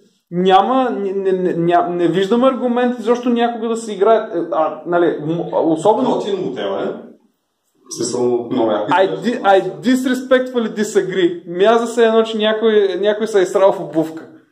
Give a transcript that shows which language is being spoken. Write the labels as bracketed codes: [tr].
[bg] Няма, не виждам аргумент изобщо някога да се играе, нали, особено... Готин модел, е? Смисъл, много яко. [en] I disrespectfully disagree. [bg] Мяза се едно, че някой се е изсрал в обувка.